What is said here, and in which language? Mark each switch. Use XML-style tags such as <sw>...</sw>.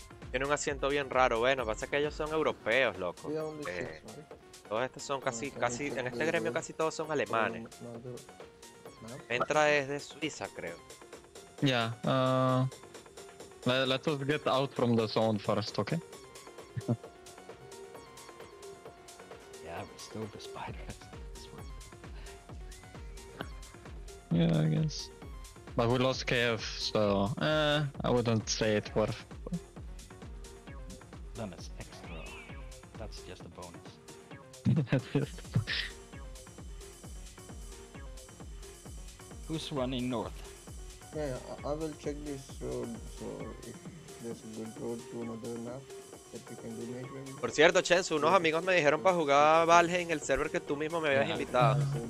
<es>Tiene un asiento bien raro, bueno, pasa que ellos son europeos, loco.</es> <en>Yeah,</en> <es>todos estos son casi, en este gremio casi todos son alemanes. Ventra</es> <en>is</en> <es>de Suiza, creo.</es> <en>Yeah, let us get out from the zone first, okay? Yeah, we stole the spiders. Yeah, I guess. But we lost KF, so I wouldn't say it worth. Then it's extra. That's just a bonus. That's just a bonus. Who's running north? Yeah, I will check this road, so if there's a good road to another map that we can do maybe.</en> <es>Por cierto, Chensu, unos amigos me dijeron para jugar Valheim en el server que tú mismo me habías invitado.</es>